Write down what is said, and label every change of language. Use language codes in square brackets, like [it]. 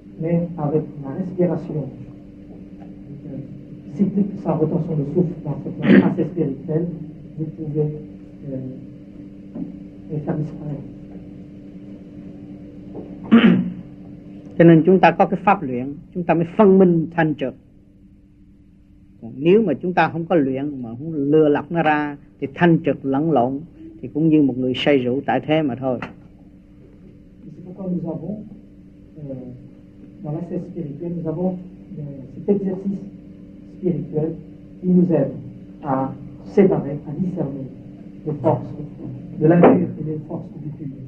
[fr] Mais avec la respiration, cyclique, sans retention de souffle dans cette assez spirituelle, vous pouvez les faire disparaître. [vi] Cho nên chúng ta có cái pháp luyện, chúng ta mới phân minh thanh trượt. Còn nếu mà chúng ta không có luyện mà không lừa lọc nó ra, thì thanh trượt lẫn lộn, thì cũng như một người say rượu tại thế mà thôi. [fr] C'est pourquoi nous avons, dans l'aspect spirituel, nous avons cet exercice spirituel qui nous aide à séparer, à discerner les forces de l'impur et les forces du pur.